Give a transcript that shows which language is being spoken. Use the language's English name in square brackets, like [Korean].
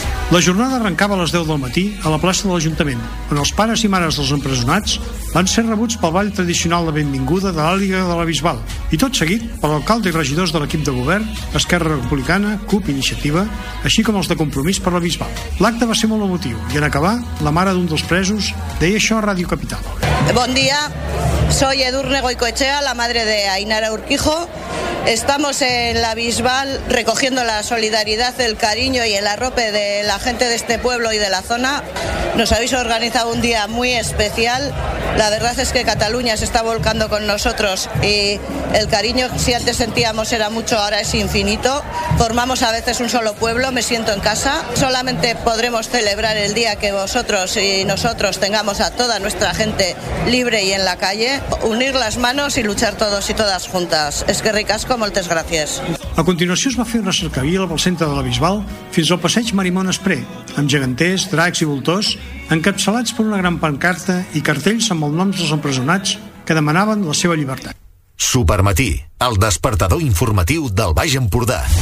[Catalan] La jornada arrencava a les 10 del matí a la plaça de l'Ajuntament, on els pares i mares dels empresonats van ser rebuts pel ball tradicional de benvinguda de l'Àliga de la Bisbal i tot seguit per l'alcalde i regidors de l'equip de govern, Esquerra Republicana, CUP i Iniciativa, així com els de Compromís per la Bisbal. L'acte va ser molt emotiu i en acabar, la mare d'un dels presos deia això a Ràdio Capital. [Spanish] Bon dia, soy Edurne Goicoechea, la madre de Ainara Urquijo. Estamos en la Bisbal recogiendo la solidaridad, el cariño y el arrope de la gente de este pueblo y de la zona. Nos habéis organizado un día muy especial. La verdad es que Cataluña se está volcando con nosotros y el cariño que si antes sentíamos era mucho, ahora es infinito. Formamos a veces un solo pueblo, me siento en casa. Solamente podremos celebrar el día que vosotros y nosotros tengamos a toda nuestra gente libre y en la calle, unir las manos y luchar todos y todas juntas. Es que ricas [Catalan] moltes gràcies. A continuació es va fer una cercavila pel centre de la Bisbal fins al passeig Marimon Espré, amb geganters, dracs i voltors, encapçalats per una gran pancarta i cartells amb els noms dels empresonats que demanaven la seva llibertat. Supermatí, el despertador informatiu del Baix Empordà.